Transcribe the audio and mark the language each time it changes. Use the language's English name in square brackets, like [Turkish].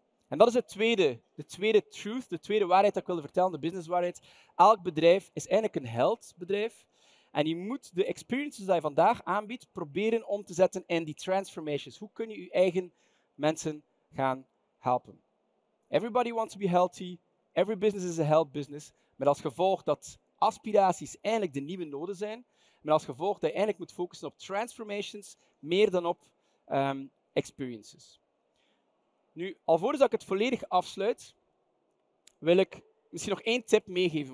[Dutch] En dat is de tweede truth, de tweede waarheid dat ik wilde vertellen, de businesswaarheid. Elk bedrijf is eigenlijk een heldbedrijf. En je moet de experiences die je vandaag aanbiedt, proberen om te zetten in die transformations. Hoe kun je eigen mensen gaan helpen? [English] Everybody wants to be healthy. Every business is a health business. [Dutch] Met als gevolg dat aspiraties eigenlijk de nieuwe noden zijn. Met als gevolg dat je eigenlijk moet focussen op transformations meer dan op experiences. Nu, alvorens dat ik het volledig afsluit, wil ik misschien nog één tip meegeven.